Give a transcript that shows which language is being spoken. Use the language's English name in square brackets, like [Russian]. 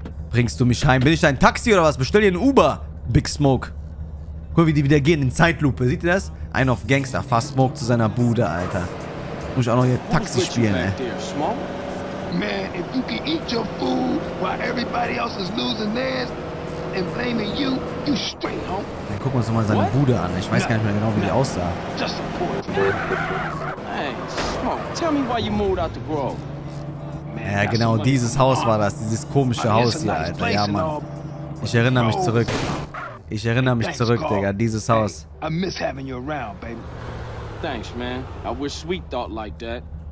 [German] Bringst du mich heim? Bin ich dein Taxi oder was? Bestell dir ein Uber, Big Smoke. Guck, wie die wieder gehen in Zeitlupe. Seht ihr das? Ein auf Gangster, fast Smoke zu seiner Bude, Alter. Muss ich auch noch hier Taxi spielen, ey. [English] Man, if you can eat your food while everybody else is losing theirs and blaming you, you straight home. [German] Dann gucken wir uns nochmal seine Bude an. Ich weiß gar nicht mehr genau, wie die aussah. [English] Just a poor thing. Hey, Smoke, tell me why you moved out the Grove. [German] Ja, genau, dieses Haus war das. Dieses komische Haus hier, Alter. Ja, Mann. Ich erinnere mich zurück. Ich erinnere mich zurück, Digga. Dieses Haus. [English] I miss having you around, baby. Thanks, man. I wish Sweet thought like that.